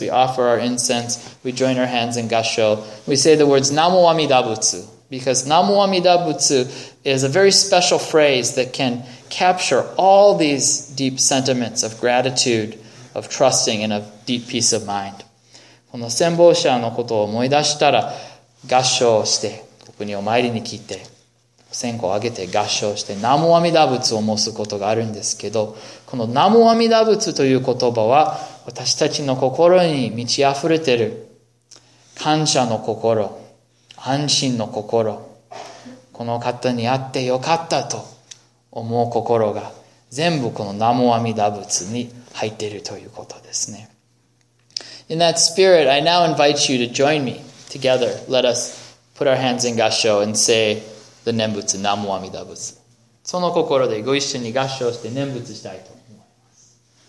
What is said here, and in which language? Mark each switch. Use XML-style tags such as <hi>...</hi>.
<en>We offer our incense. We join our hands in Gassho. We say the words Namo Amida Butsu, because Namo Amida Butsu is a very special phrase that can capture all these deep sentiments of gratitude, of trusting, and of deep peace of mind.</en> <ja>この先方者のことを思い出したら、合掌をして、ここにお参りに来て、線香をあげて合掌して、南無阿弥陀仏を申すことがあるんですけど、この南無阿弥陀仏という言葉は、私たちの心に満ち溢れている、感謝の心、安心の心、この方に会ってよかったと思う心が、全部この南無阿弥陀仏に入っているということですね。</ja> <en>In that spirit, I now invite you to join me together. Let us put our hands in Gassho and say the Nembutsu, Namo Amida Butsu.</en> <ja>その心でご一緒に合掌して念仏したいと思います。</ja>